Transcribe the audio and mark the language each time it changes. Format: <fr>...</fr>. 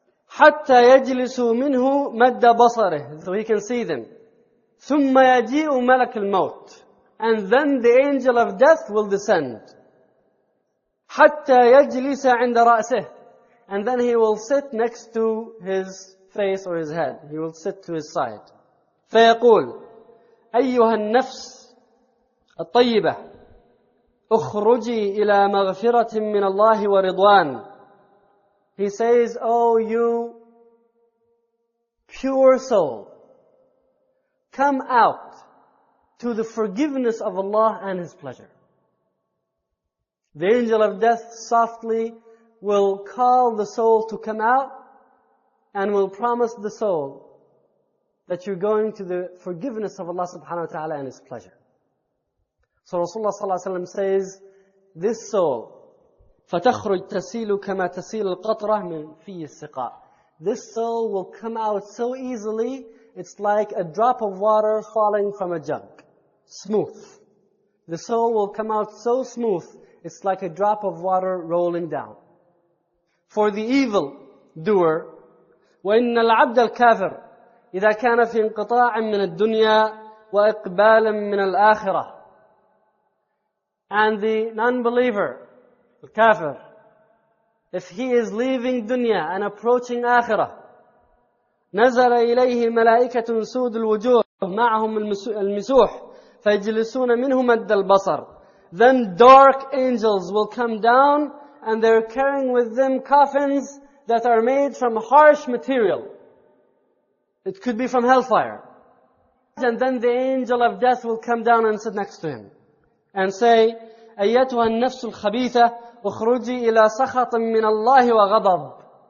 <ar>حَتَّى يَجْلِسُوا مِنْهُ مَدَّ بَصَرِهِ.</ar> <en>So he can see them.</en> <ar>ثُمَّ يَجِيءُ مَلَكُ الْمَوْتِ.</ar> <en>And then the angel of death will descend.</en> <ar>حَتَّى يَجْلِسَ عِنْدَ رَأْسِهِ.</ar> <en>And then he will sit next to his face or his head. He will sit to his side.</en> <ar>فَيَقُولُ أَيُّهَا النَّفْسِ الطَّيِّبَةِ أخرجي إلى مغفرة من الله ورضوان.</ar> <en>He says, "Oh, you pure soul, come out to the forgiveness of Allah and His pleasure." The angel of death softly will call the soul to come out and will promise the soul that you're going to the forgiveness of Allah subhanahu wa ta'ala and His pleasure. So Rasulullah sallallahu alayhi wa sallam says, this soul,</en> <ar>فَتَخْرُجْ تَسِيلُ كَمَا تَسِيلُ الْقَطْرَةِ مِنْ فِيِّ السِّقَاءِ.</ar> <en>This soul will come out so easily, it's like a drop of water falling from a jug. Smooth. The soul will come out so smooth, it's like a drop of water rolling down. For the evil doer,</en> <ar>وَإِنَّ الْعَبْدَ الْكَافِرُ إِذَا كَانَ فِي انْقِطَاعٍ مِّنَ الدُّنْيَا وَإِقْبَالٍ مِّنَ الْآخِرَةِ.</ar> <en>And the non-believer, الكافر, if he is leaving dunya and approaching akhirah,</en> <ar>نَزَلَ إِلَيْهِ مَلَائِكَةٌ سُودُ الْوُجُوهِ مَعَهُمْ الْمِسُوحِ فَيَجْلِسُونَ مِنْهُ مَدَّ الْبَصَرِ.</ar> <en>Then dark angels will come down and they're carrying with them coffins that are made from harsh material. It could be from hellfire. And then the angel of death will come down and sit next to him and say,</en> <ar>أَيَّتُهَا النَّفْسُ الْخَبِيثَةُ اُخْرُجِي إِلَى سَخَطٍ مِّنَ اللَّهِ وَغَضَبٍ.</ar>